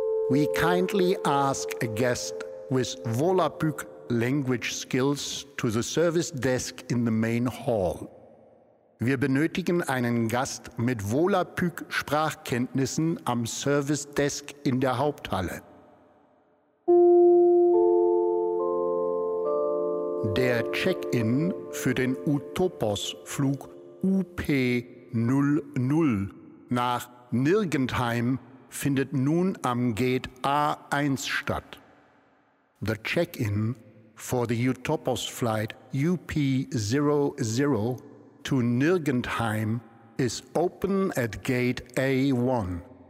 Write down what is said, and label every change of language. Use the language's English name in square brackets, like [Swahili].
[English] We kindly ask a guest with Volapük language skills to the service desk in the main hall. [German] Wir benötigen einen Gast mit Volapük-Sprachkenntnissen am Service Desk in der Haupthalle. Der Check-in für den Utopos-Flug UP00 nach Nirgendheim findet nun am Gate A1 statt. [English] The Check-in for the Utopos Flight UP00 to Nirgendheim is open at Gate A1.